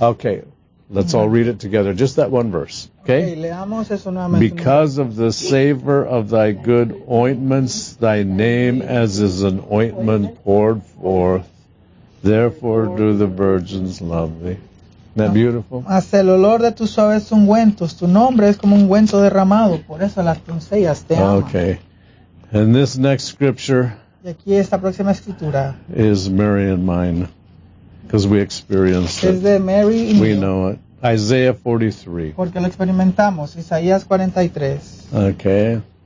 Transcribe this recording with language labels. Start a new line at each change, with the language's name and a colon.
English: Okay, let's all read it together. Just that one verse, okay?
Spanish: Leamos eso nuevamente.
English: Because of the savor of thy good ointments, thy name as is an ointment poured forth, therefore do the virgins love thee. Isn't that beautiful?
Spanish: Hasta el olor de tus suaves ungüentos, tu nombre es como un ungüento derramado, por eso las doncellas te aman.
English: Okay, and this next scripture...
Spanish: Y aquí esta próxima escritura
English: is Mary and mine, because we experienced it.
Spanish: Es de Mary y
English: we know it. Isaiah 43.
Spanish: Porque lo experimentamos. Isaías 43.
English: Okay.